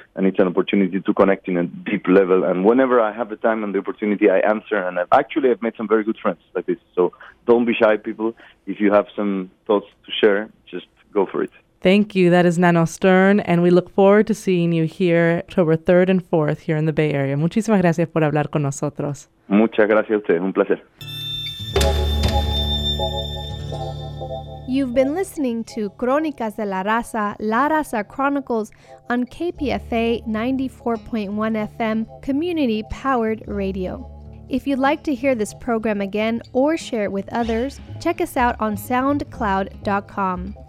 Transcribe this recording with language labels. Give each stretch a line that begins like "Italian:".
English: And it's an opportunity to connect in a deep level. And whenever I have the time and the opportunity, I answer. And I've made some very good friends like this. So don't be shy, people. If you have some thoughts to share, just go for it. Thank you. That is Nano Stern. And we look forward to seeing you here October 3rd and 4th here in the Bay Area.
Spanish: Muchísimas gracias por hablar con nosotros. Muchas gracias a usted. Un placer.
English: You've been listening to Crónicas de la Raza, La Raza Chronicles on KPFA 94.1 FM Community Powered Radio. If you'd like to hear this program again or share it with others, check us out on SoundCloud.com.